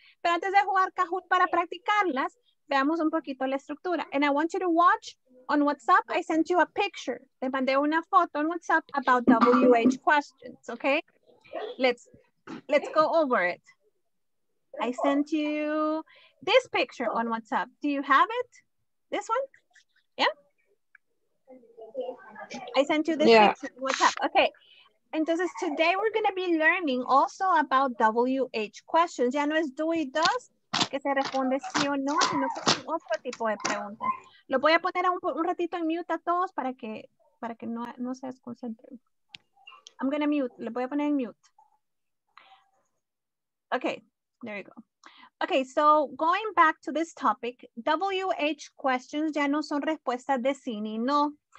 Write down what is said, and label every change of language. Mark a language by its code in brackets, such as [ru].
[es] Pero antes de jugar Kahoot para practicarlas, veamos un poquito la estructura. [en] And I want you to watch on WhatsApp. I sent you a picture. [es] Te mandé una foto [en] on WhatsApp about WH questions, okay? Let's go over it. I sent you this picture on WhatsApp. Do you have it? This one? Yeah? I sent you this picture on WhatsApp. Okay. Entonces, today we're going to be learning also about WH questions. [es] Ya no es do y does, que se responde sí o no, sino que es otro tipo de preguntas. Lo voy a poner un ratito en mute a todos para que no se desconcentren. [en] I'm going to mute. [es] Le voy a poner en mute. [en] Okay, there you go. Okay, so going back to this topic, WH questions [es] ya no son respuestas de sí ni no.